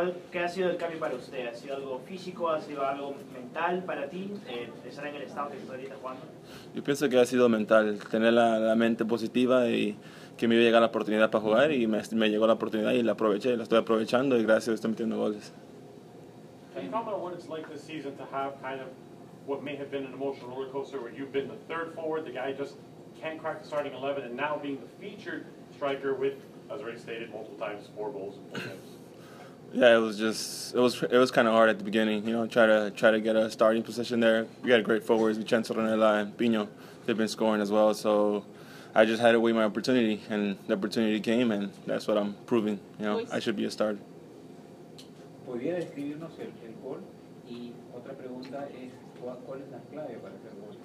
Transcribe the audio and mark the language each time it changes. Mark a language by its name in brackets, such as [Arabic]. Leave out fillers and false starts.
[Spanish] ¿Qué ha sido el cambio para usted? ¿Ha sido algo físico? ¿Ha sido algo mental para ti? ¿Estar en el estado que estoy ahorita jugando? Yo pienso que ha sido mental. Tener la mente positiva y que me iba a llegar la oportunidad para jugar. Y me llegó la oportunidad y la aproveché. La estoy aprovechando y gracias a Dios estoy metiendo goles. ¿Puedes hablar sobre lo que es [English] like this season to have kind of what may have been an emotional roller coaster where you've been the third forward, the guy just can't crack the starting 11 and now being the featured striker with, as already stated multiple times, 4 goals in 4 games. Yeah, it was kind of hard at the beginning, you know, try to get a starting position there. We got great forwards, Vicenzo Ronella and Pino. They've been scoring as well, so I just had to wait my opportunity, and the opportunity came, and that's what I'm proving, you know, I should be a starter. [Spanish] ¿Podría describirnos el gol? Y otra pregunta es, ¿cuál es la clave para hacer gol?